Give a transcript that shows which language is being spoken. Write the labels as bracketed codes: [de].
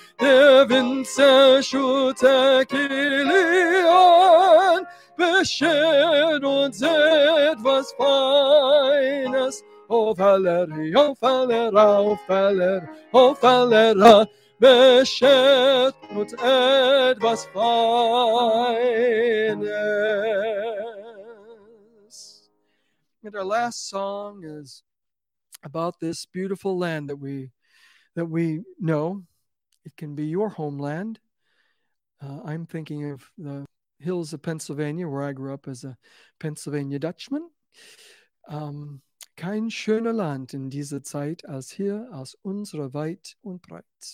[de] Der Winzer Schulter Kilian beschert uns etwas Feines. O Valeri, O Valera, O Valer, O Valera, beschert uns etwas Feines. [en] And our last song is about this beautiful land that we know. It can be your homeland. I'm thinking of the hills of Pennsylvania, where I grew up as a Pennsylvania Dutchman. [de] Kein schöner Land in dieser Zeit als hier, als unsere weit und breit.